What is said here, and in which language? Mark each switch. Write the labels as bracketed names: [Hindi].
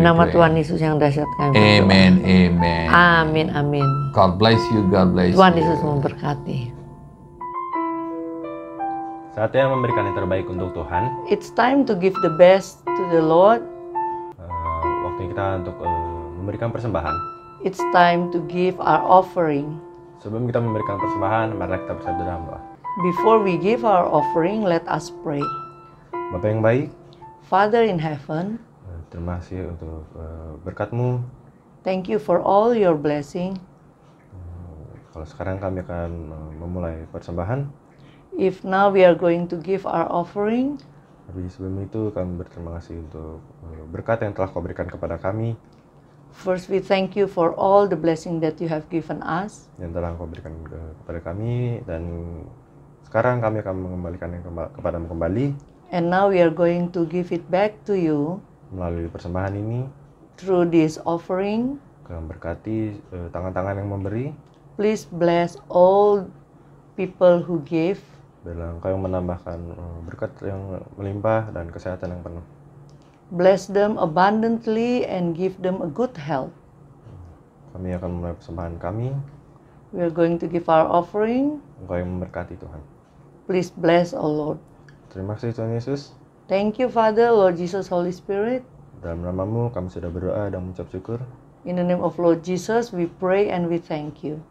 [Indonesian] nama Tuhan Yesus yang dahsyat kami. Amen, amen. Amin, amin. [English] God bless you, God bless you. [Indonesian] Tuhan Yesus memberkati. Saatnya memberikan yang terbaik untuk Tuhan. [English] It's time to give the best to the Lord. [Indonesian] Waktunya kita untuk memberikan persembahan. [English] It's time to give our offering. [Indonesian] Sebelum kita memberikan persembahan, mari kita bersatu dalam doa. [English] Before we give our offering, let us pray. [Indonesian] Bapa yang baik. [English] Father in heaven. [Indonesian] Terima kasih untuk berkat-Mu. [English] Thank you for all your blessing. [Indonesian] Kalau sekarang kami akan memulai persembahan. [English] If now we are going to give our offering, [Indonesian] tapi sebelum itu kami berterima kasih untuk berkat yang telah Kau berikan kepada kami. [English] First we thank you for all the blessing that you have given us. [Indonesian] Yang telah Kau berikan kepada kami dan sekarang kami akan mengembalikannya kepada-Mu kembali. [English] And now we are going to give it back to you. [Indonesian] Melalui persembahan ini. [English] Through this offering. [Indonesian] Kami berkati tangan-tangan yang memberi. [English] Please bless all people who give. [Indonesian] Biarlah Engkau yang menambahkan berkat yang melimpah dan kesehatan yang penuh. [English] Bless them abundantly and give them a good health. [Indonesian] Kami akan memulai persembahan kami. [English] We are going to give our offering. [Indonesian] Engkau yang memberkati Tuhan. [English] Please bless, O Lord. [Indonesian] Terima kasih Tuhan Yesus. [English] Thank you Father, Lord Jesus, Holy Spirit. [Indonesian] Dalam nama-Mu kami sudah berdoa dan mengucap syukur. [English] In the name of Lord Jesus, we pray and we thank you.